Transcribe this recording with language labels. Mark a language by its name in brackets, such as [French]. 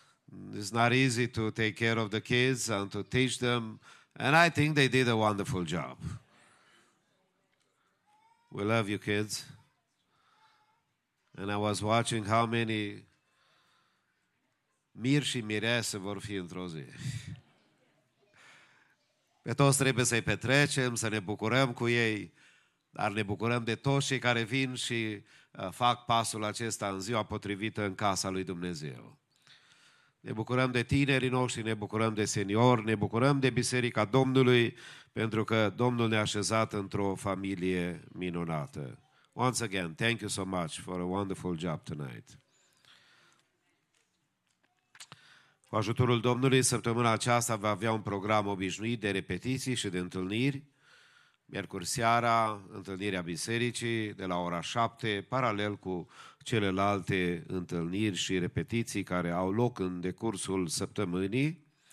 [English] It's not easy to take care of the kids and to teach them, and I think they did a wonderful job. We love you kids. And I was watching how many [Romanian] miri și mirese vor fi într-o zi. Pe toți trebuie să-i petrecem, să ne bucurăm cu ei, dar ne bucurăm de toți cei care vin și fac pasul acesta în ziua potrivită în casa lui Dumnezeu. Ne bucurăm de tinerii noștri, ne bucurăm de seniori, ne bucurăm de Biserica Domnului, pentru că Domnul ne-a așezat într-o familie minunată. [English] Once again, thank you so much for a wonderful job tonight. [Romanian] Cu ajutorul Domnului, săptămâna aceasta va avea un program obișnuit de repetiții și de întâlniri. Miercuri seara, întâlnirea bisericii de la ora 7, paralel cu celelalte întâlniri și repetiții care au loc în decursul săptămânii.